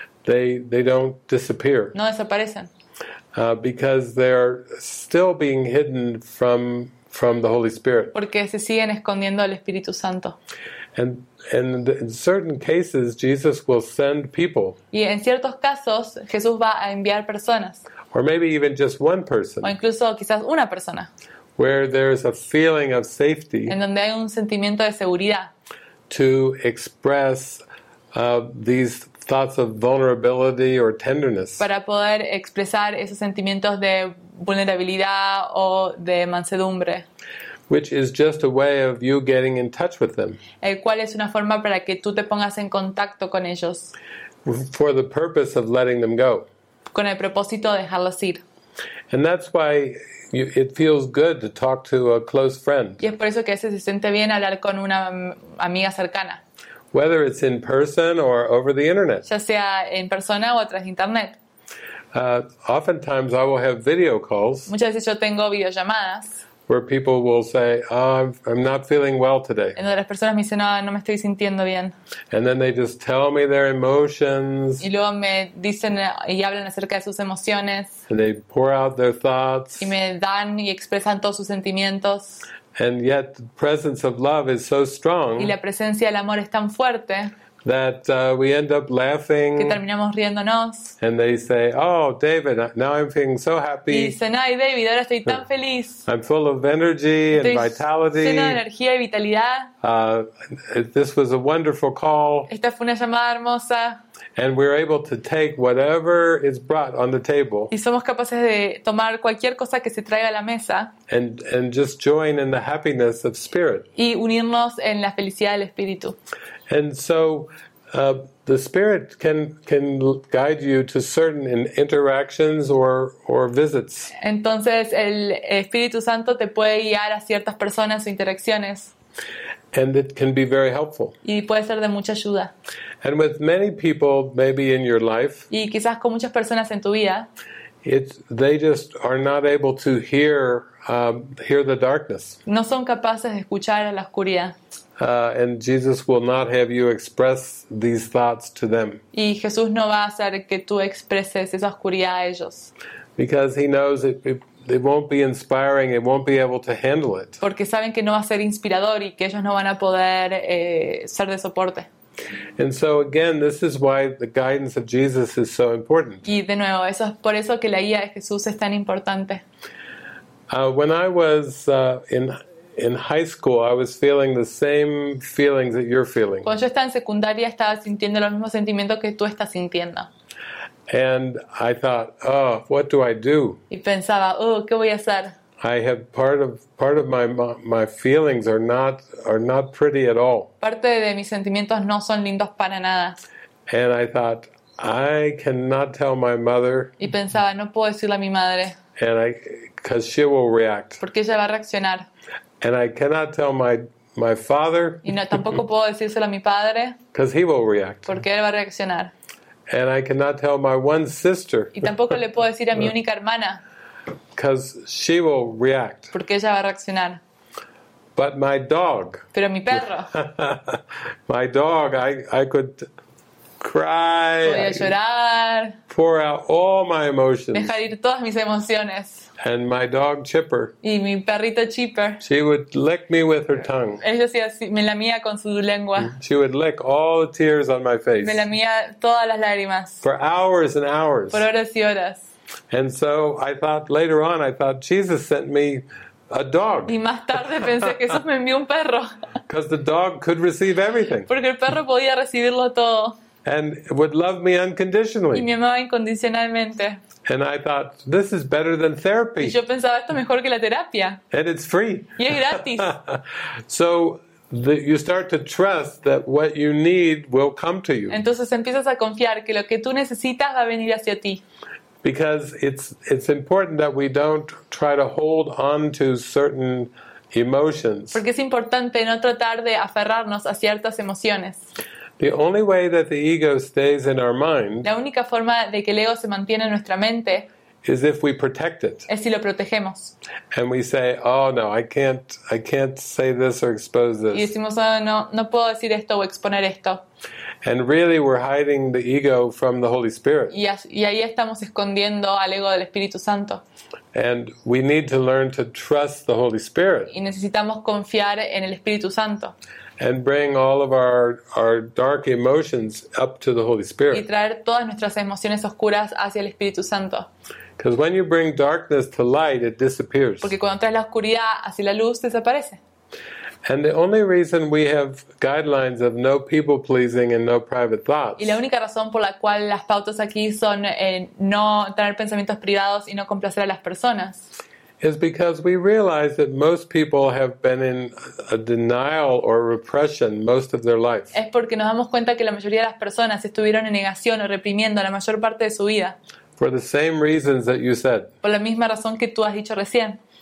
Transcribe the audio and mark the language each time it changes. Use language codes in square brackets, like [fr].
[en] They don't disappear. [es] No desaparecen. [en] Because they're still being hidden from the Holy Spirit. [es] Porque se siguen escondiendo al Espíritu Santo. [en] And in certain cases Jesus will send people. [es] Y en ciertos casos Jesús va a enviar personas. [en] Or maybe even just one person. [es] O incluso quizás una persona. [en] Where there is a feeling of safety. [es] En donde hay un sentimiento de seguridad. [en] To express these thoughts of vulnerability or tenderness. [es] Para poder expresar esos sentimientos de vulnerabilidad o de mansedumbre. [en] Which is just a way of you getting in touch with them. [es] El cual es una forma para que tú te pongas en contacto con ellos. [en] For the purpose of letting them go. [es] Con el propósito de dejarlos ir. [en] And that's why it feels good to talk to a close friend. [es] Y es por eso que a veces se siente bien hablar con una amiga cercana. [en] Whether it's in person or over the internet. [es] Ya sea en persona o a través de internet. [en] Oftentimes I will have video calls. [es] Muchas veces yo tengo videollamadas. [en] where people will say, oh, I'm not feeling well today. [es] En donde las personas me dicen, no me estoy sintiendo bien. [en] And then they just tell me their emotions. [es] Y luego me dicen y hablan acerca de sus emociones. [en] And they pour out their thoughts. [es] Y me dan y expresan todos sus sentimientos. [en] And yet the presence of love is so strong. [es] Y la presencia del amor es tan fuerte. [en] That we end up laughing. [es] Que terminamos riéndonos. [en] And they say, oh, David, now I'm feeling so happy. [es] Y dicen, ay, David, ahora estoy tan feliz. [en] I'm full of energy and vitality. [es] Estoy lleno de energía y vitalidad. [en] This was a wonderful call. [es] Esta fue una llamada hermosa. [en] And we're able to take whatever is brought on the table. [es] Y somos capaces de tomar cualquier cosa que se traiga a la mesa. [en] And just join in the happiness of spirit. [es] Y unirnos en la felicidad del espíritu. [en] And so the spirit can guide you to certain interactions or visits. [es] Entonces el Espíritu Santo te puede guiar a ciertas personas o interacciones. [en] And it can be very helpful. [es] Y puede ser de mucha ayuda. [en] And with many people, maybe in your life, [es] y quizás con muchas personas en tu vida, [en] they just are not able to hear the darkness. [es] No son capaces de escuchar a la oscuridad. [en] And Jesus will not have you express these thoughts to them. [es] Y Jesús no va a hacer que tú expreses esa oscuridad a ellos. [en] Because he knows it won't be inspiring, it won't be able to handle it. [es] Porque saben que no va a ser inspirador y que ellos no van a poder ser de soporte. [en] And so again, this is why the guidance of Jesus is so important. [es] Y de nuevo, eso es por eso que la guía de Jesús es tan importante. [en] When I was in high school, I was feeling the same feelings that you're feeling. [es] Cuando yo estaba en secundaria, estaba sintiendo los mismos sentimientos que tú estás sintiendo. [en] And I thought, oh, what do I do? [es] Y pensaba, ¿qué voy a hacer? [en] I have part of my feelings are not pretty at all. [es] Parte de mis sentimientos no son lindos para nada. [en] And I thought, I cannot tell my mother. [es] Y pensaba, no puedo decirle a mi madre. [en] And I, because she will react. [es] Porque ella va a reaccionar. [en] And I cannot tell my father. [es] Y no, tampoco puedo decírselo a mi padre. [en] Because he will react. [es] Porque él va a reaccionar. [en] And I cannot tell my one sister. [es] Y tampoco le puedo decir a mi única hermana. [en] Because she will react. [es] Porque ella va a reaccionar. [en] But my dog. [es] Pero mi perro. [en] My dog, I could cry. [es] Podía llorar. [en] Pour out all my emotions. [es] Dejar ir todas mis emociones. [en] And my dog Chipper. [es] Y mi perrito Chipper. [en] She would lick me with her tongue. [es] Ella hacía así, me lamía con su lengua. [en] She would lick all the tears on my face. [es] Me lamía todas las lágrimas. [en] For hours and hours. [es] Por horas y horas. [en] And so I thought later on, I thought Jesus sent me a dog. [es] Y más tarde pensé que Jesús me envió un perro. [en] Because the dog could receive everything. [es] Porque el perro podía recibirlo todo. [en] And would love me unconditionally. [es] Y me amaba incondicionalmente. [en] And I thought, this is better than therapy. [es] Y yo pensaba, esto es mejor que la terapia. [en] And it's free. [es] Y es gratis. [en] So you start to trust that what you need will come to you. [es] Entonces empiezas a confiar que lo que tú necesitas va a venir hacia ti. [en] Because it's important that we don't try to hold on to certain emotions. [es] Porque es importante no tratar de aferrarnos a ciertas emociones. [en] The only way that the ego stays in our mind. [es] La única forma de que el ego se mantiene en nuestra mente. [en] Is if we protect it. [es] Es si lo protegemos. [en] And we say, oh no, I can't say this or expose this. [es] Y decimos, oh, no puedo decir esto o exponer esto. [en] And really we're hiding the ego from the Holy Spirit. [es] Y ahí estamos escondiendo al ego del Espíritu Santo. [en] And we need to learn to trust the Holy Spirit. [es] Y necesitamos confiar en el Espíritu Santo. [en] And bring all of our dark emotions up to the Holy Spirit. [es] Y traer todas nuestras emociones oscuras hacia el Espíritu Santo. [en] Because when you bring darkness to light, it disappears. [es] Porque cuando traes la oscuridad hacia la luz, desaparece. [en] And the only reason we have guidelines of no people pleasing and no private thoughts. [es] Y la única razón por la cual las pautas aquí son no tener pensamientos privados y no complacer a las personas. [en] Is because we realize that most people have been in a denial or repression most of their life. [es] Es porque nos damos cuenta que la mayoría de las personas estuvieron en negación o reprimiendo la mayor parte de su vida. [en] For the same reasons that you said. [es] Por la misma razón que tú has dicho recién.